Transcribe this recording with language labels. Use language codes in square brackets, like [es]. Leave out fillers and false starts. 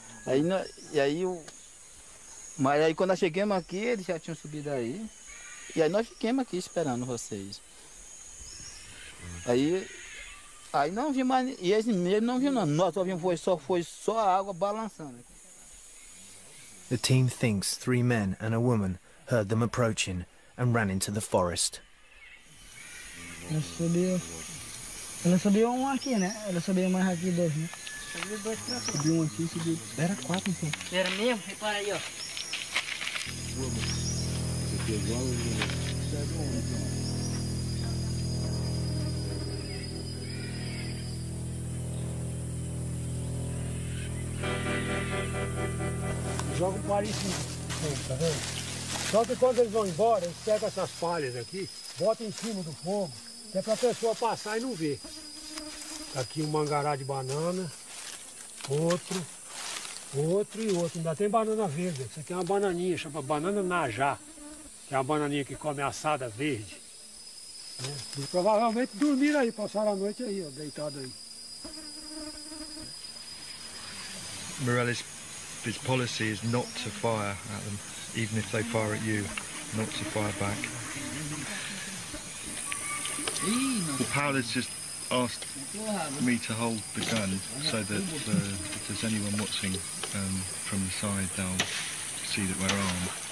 [pt] Aí, nós, e aí, o... Mas aí, quando nós chegamos aqui, eles já tinham subido aí. E aí nós fiquemos aqui esperando vocês. Aí não vi mais, e eles mesmo não viu não. Nós só vimos foi só a água balançando. [en] The team thinks three men and a woman heard them approaching and ran into the forest. [pt] Ela subiu um aqui, né? Ela subiu mais aqui dois, né? Subiu dois pra cá. Subiu um aqui, subiu. Era quatro, então. Era mesmo? Repara aí, ó. Você pegou a luz, né? Joga o palhinho. Tá vendo? Só que quando eles vão embora, eles pegam essas palhas aqui, botam em cima do fogo, até pra pessoa passar e não ver. Aqui um mangará de banana, outro, outro e outro. Ainda tem banana verde. Isso aqui é uma bananinha, chama banana najá. Que é uma bananinha que come assada verde. Né? E provavelmente dormiram aí, passaram a noite aí, ó, deitado aí. [en] Morelli's policy is not to fire at them. Even if they fire at you, not to fire back. The pal has just asked me to hold the gun so that if there's anyone watching from the side, they'll see that we're armed.